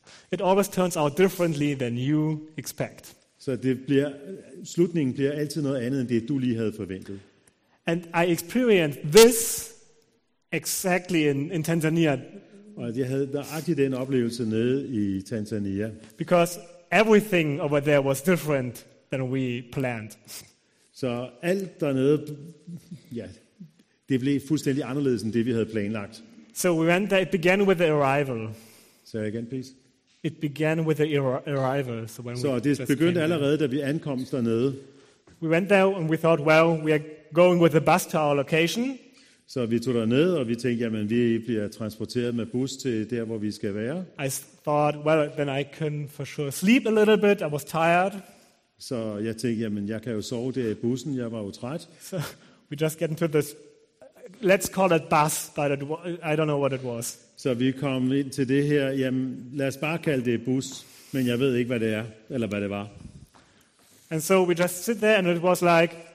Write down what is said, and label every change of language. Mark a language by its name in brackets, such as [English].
[English] It always turns out differently than you expect. [Danish] Så det bliver slutningen bliver altid noget andet end det du lige havde forventet. [English] And I experienced this exactly in Tanzania. [Danish] Og jeg havde nøjagtig den oplevelse nede i Tanzania. [English] Because everything over there was different than we planned. [Danish] Så alt dernede, ja, det blev fuldstændig anderledes end det vi havde planlagt. [English] So we went there, it began with the arrival. Say again, please. It began with the arrival. So when so we [Danish] det begyndte allerede, da vi ankom dernede. [English] We went there and we thought, well, we are going with the bus to our location. [Danish] Så vi tog dernede, og vi tænkte, jamen, vi bliver transporteret med bus til der, hvor vi skal være. [English] I thought, well, then I can for sure sleep a little bit. I was tired. [Danish] Så jeg tænkte, jamen, jeg kan jo sove der i bussen. Jeg var jo træt. [English] So we just get into this. Let's call it bus, but I don't know what it was. [Danish] Så vi kom ind til det her. Jamen, lad os bare kalde det bus, men jeg ved ikke, hvad det er, eller hvad det var. [English] And so we just sit there, and it was like...